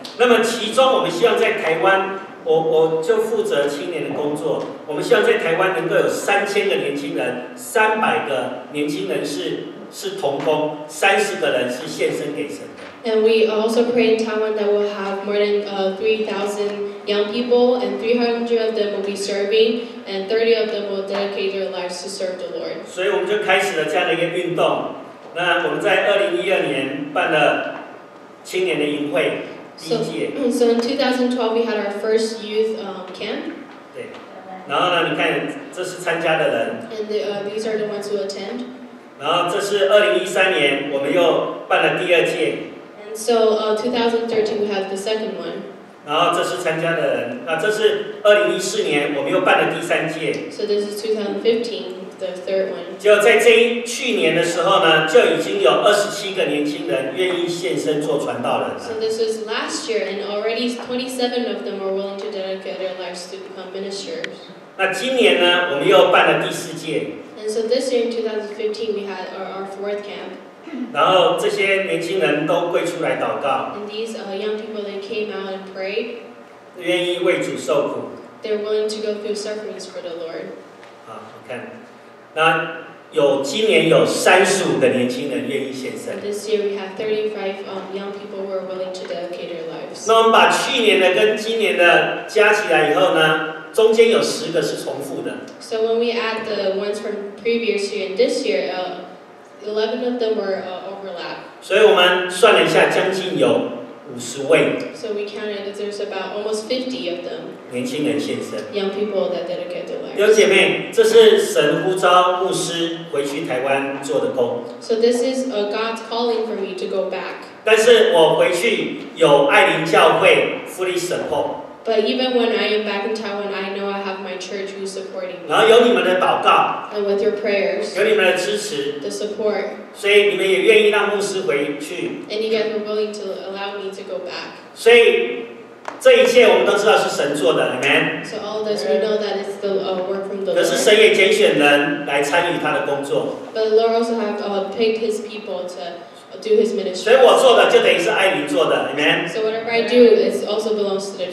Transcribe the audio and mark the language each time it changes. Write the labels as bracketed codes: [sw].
[zh] 那么其中我们希望在台湾，我就负责青年的工作。我们希望在台湾能够有3000个年轻人，300个年轻人是同工，30个人是献身给神。 [en] And we also pray in Taiwan that we'll have more than 3,000 young people, and 300 of them will be serving, and 30 of them will dedicate their lives to serve the Lord. [zh] 所以我们就开始了这样的一个运动。那我们在2012年办了青年的营会第一届。 [en] So in 2012, we had our first youth camp. [zh] 对。然后呢，你看，这是参加的人。 [en] And the, these are the ones who attend. [zh] 然后这是2013年，我们又办了第二届。 [en] So 2013, we have the second one. [zh] 然后这是参加的人，那这是2014年，我们又办了第三届。 [en] So this is 2015, the third one. [zh] 就在这一去年的时候呢，就已经有27个年轻人愿意献身做传道人了。 [en] So this was last year, and already 27 of them are willing to dedicate their lives to become ministers. [zh] 那今年呢，我们又办了第四届。 [en] And so this year in 2015, we had our fourth camp. [zh] 然后这些年轻人都跪出来祷告。 [en] And these young people, they came out and prayed. [zh] 愿意为主受苦。 [en] They're willing to go through sufferings for the Lord. [zh] 好，你看，那有今年有35的年轻人愿意献身。 [en] And this year we have 35 young people who are willing to dedicate their lives. [zh] 那我们把去年的跟今年的加起来以后呢，中间有10个是重复的。 [en] So when we add the ones from previous year and this year, 11 of them were overlap. [zh] 所以我们算了一下，将近有50位。 [en] So we counted that there's about almost 50 of them. [zh] 年轻人献身。 [en] Young people that dedicate their lives. [zh] 弟兄姐妹，这是神呼召牧师回去台湾做的工。 [en] So this is a God's calling for me to go back. [zh] 但是我回去有爱琳教会 [en] fully support. But even when I am back in Taiwan, I know I have my church who's supporting me. [zh] 然后有你们的祷告。 [en] And with your prayers, [zh] 有你们的支持 [en] the support, [zh] 所以你们也愿意让牧师回去 [en] and you guys are willing to allow me to go back. [zh] 所以这一切我们都知道是神做的 Amen. [en] So all this we know that it's the work from the Lord. [zh] 可是神也拣选人来参与他的工作 [en] But the Lord also have picked his people to do his ministry. [zh] 所以我做的就等于是爱你做的 Amen. [en] So whatever I do is also belongs to the church.